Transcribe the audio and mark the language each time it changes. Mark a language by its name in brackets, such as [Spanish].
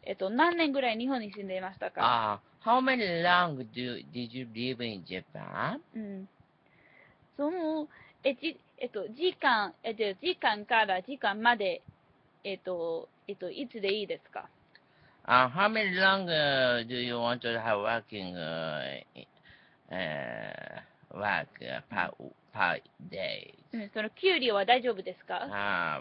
[Japanese] 何年ぐらい日本に住んでいましたか? [English] How many long did you live in Japan? [Japanese] その、時間から時間まで、いつでいいですか? [English] How many longer do you want to have working work per day? [Japanese] その給料は大丈夫ですか?